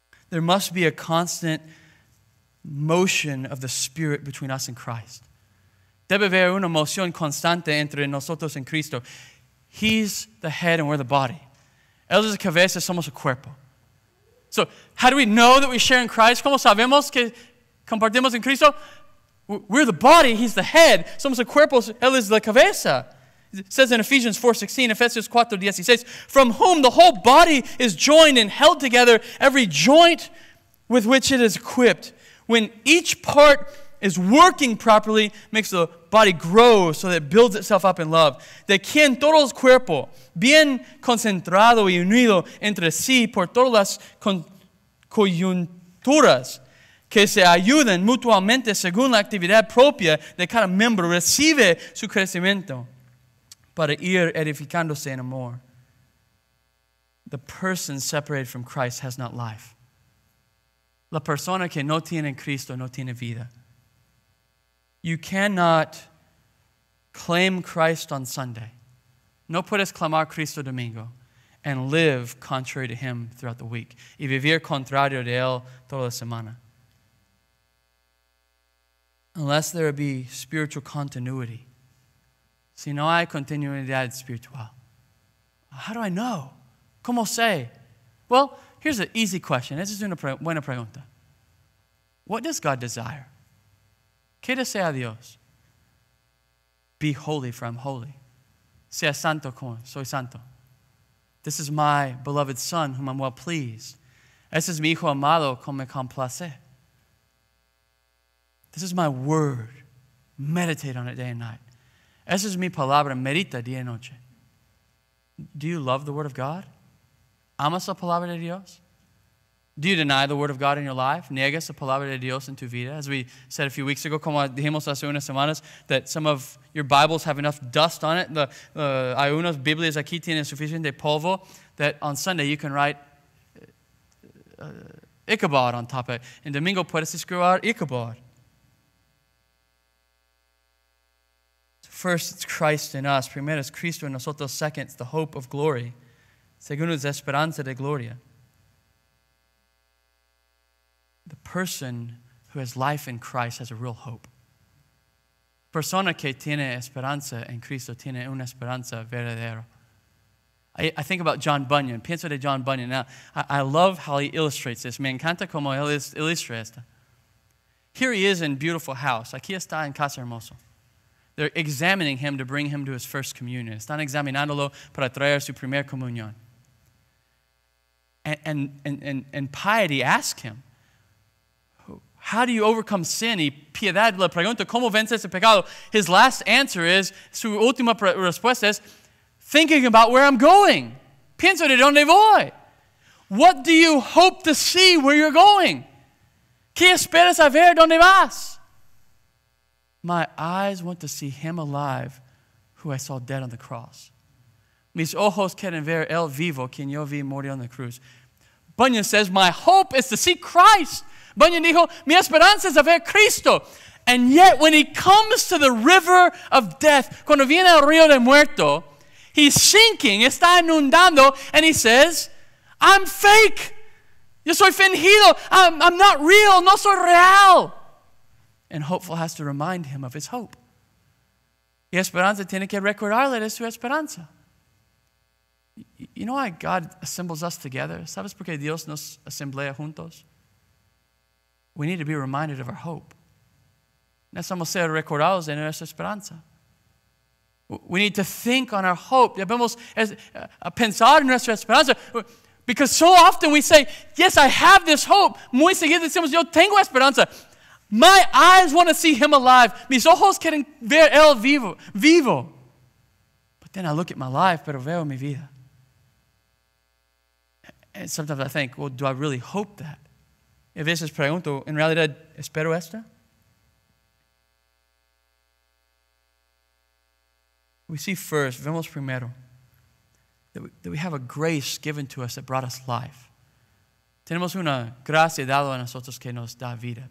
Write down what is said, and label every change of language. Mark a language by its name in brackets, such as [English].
[English] There must be a constant motion of the Spirit between us and Christ. [Spanish] Debe haber una emoción constante entre nosotros en Cristo. [English] He's the head and we're the body. [Spanish] Él es la cabeza, somos el cuerpo. [English] So, how do we know that we share in Christ? [Spanish] ¿Cómo sabemos que compartimos en Cristo? [English] We're the body, he's the head. [Spanish] Somos el cuerpo, él es la cabeza. [English] It says in Ephesians 4:16, Ephesians 4:16, from whom the whole body is joined and held together, every joint with which it is equipped. When each part is working properly, makes the body grow so that it builds itself up in love. [Spanish] De quien todo el cuerpo, bien concentrado y unido entre sí por todas las coyunturas, que se ayuden mutuamente según la actividad propia de cada miembro, recibe su crecimiento para ir edificándose en amor. [English] The person separated from Christ has not life. [Spanish] La persona que no tiene Cristo no tiene vida. [English] You cannot claim Christ on Sunday. [Spanish] No puedes clamar Cristo domingo [English] and live contrary to him throughout the week. [Spanish] Y vivir contrario de él toda la semana. [English] Unless there be spiritual continuity. [Spanish] Si no hay continuidad espiritual. [English] How do I know? [Spanish] ¿Cómo sé? [English] Well, here's an easy question. [Spanish] Esa es una buena pregunta. [English] What does God desire? [Spanish] ¿Qué desea Dios? [English] Be holy, for I'm holy. [Spanish] Sea santo como soy santo. [English] This is my beloved son, whom I'm well pleased. [Spanish] Este es mi hijo amado, como me complace. [English] This is my word. Meditate on it day and night. [Spanish] Esa es mi palabra, medita día y noche. [English] Do you love the word of God? [Spanish] ¿Amas la palabra de Dios? [English] Do you deny the word of God in your life? [Spanish] ¿Niegas la palabra de Dios en tu vida? [English] As we said a few weeks ago, [Spanish] como dijimos hace unas semanas, [English] that some of your Bibles have enough dust on it. [Spanish] Hay unas Biblias aquí tienen suficiente polvo [English] that on Sunday you can write Ichabod on top of it. [Spanish] En domingo puedes escribir Ichabod. [English] First, it's Christ in us. [Spanish] Primero, es Cristo en nosotros. [English] Second, it's the hope of glory. [Spanish] Segundo, es esperanza de gloria. [English] The person who has life in Christ has a real hope. [Spanish] Persona que tiene esperanza en Cristo tiene una esperanza verdadera. [English] I think about John Bunyan. [Spanish] Pienso de John Bunyan. [English] Now, I love how he illustrates this. [Spanish] Me encanta como él ilustra esto. [English] Here he is in beautiful house. [Spanish] Aquí está en casa hermoso. [English] They're examining him to bring him to his first communion. [Spanish] Están examinándolo para traer su primer comunión. [English] And piety asks him, how do you overcome sin? [Spanish] Y piedad le pregunta, ¿cómo vences el pecado? [English] His last answer is, [Spanish] su última respuesta es, [English] thinking about where I'm going. [Spanish] Pienso de dónde voy. [English] What do you hope to see where you're going? [Spanish] ¿Qué esperas a ver dónde vas? [English] My eyes want to see him alive who I saw dead on the cross. [Spanish] Mis ojos quieren ver el vivo quien yo vi morir en la cruz. [English] Bunyan says, my hope is to see Christ. [Spanish] Bunyan dijo, mi esperanza es a ver Cristo. [English] And yet when he comes to the river of death, [Spanish] cuando viene al río de muerto, [English] he's sinking, [Spanish] está inundando, [English] and he says, I'm fake. [Spanish] Yo soy fingido. [English] I'm not real. [Spanish] No soy real. [English] And hopeful has to remind him of his hope. [Spanish] Y esperanza tiene que recordarle de su esperanza. [English] You know why God assembles us together? [Spanish] ¿Sabes por qué Dios nos asemblea juntos? [English] We need to be reminded of our hope. [Spanish] Necesitamos ser recordados de nuestra esperanza. [English] We need to think on our hope. [Spanish] Debemos pensar en nuestra esperanza. [English] Because so often we say, yes, I have this hope. Muy seguido decimos, yo tengo esperanza. My eyes want to see him alive. [Spanish] Mis ojos quieren ver él vivo. [English] But then I look at my life, [Spanish] pero veo mi vida. [English] And sometimes I think, well, do I really hope that? [Spanish] A veces pregunto, ¿en realidad espero esto? [English] We see first, [Spanish] vemos primero, [English] that we have a grace given to us that brought us life. [Spanish] Tenemos una gracia dada a nosotros que nos da vida.